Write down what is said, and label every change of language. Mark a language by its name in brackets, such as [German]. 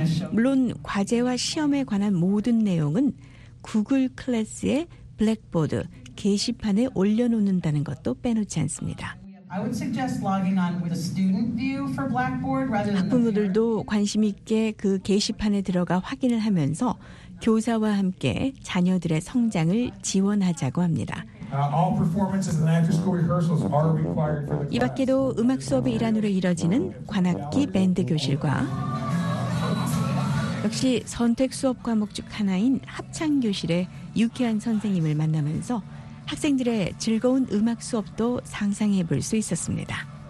[Korean] 물론 과제와 시험에 관한 모든 내용은 구글 클래스의 블랙보드 게시판에 올려놓는다는 것도 빼놓지 않습니다. 학부모들도 관심 있게 그 게시판에 들어가 확인을 하면서 교사와 함께 자녀들의 성장을 지원하자고 합니다. [English] All performances and after-school rehearsals are required for the class. [Korean] 이 밖에도 음악 수업의 일환으로 이뤄지는 관악기 밴드 교실과 역시 선택 수업 과목 중 하나인 합창 교실의 유쾌한 선생님을 만나면서 학생들의 즐거운 음악 수업도 상상해 볼 수 있었습니다.